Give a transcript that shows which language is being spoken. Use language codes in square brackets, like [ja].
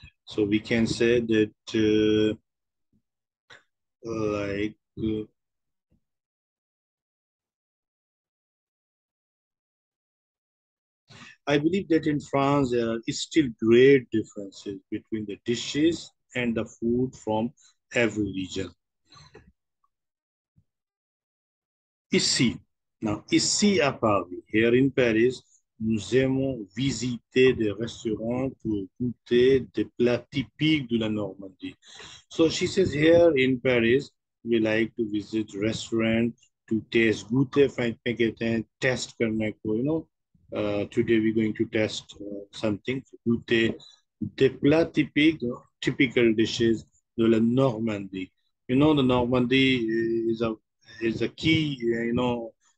[en] So we can say that I believe that in France there are still great differences between the dishes and the food from every region. [fr] Ici. Now, ici à Paris, [en] here in Paris, [fr] nous aimons visiter des restaurants pour goûter des plats typiques de la Normandie. [en] So she says, here in Paris, we like to visit restaurants to taste, goûter, find, make it, and test, you know. Today we're going to test something, [fr] goûter des plats typiques, [en] typical dishes [fr] de la Normandie. [en] You know, the Normandie is a key, you know,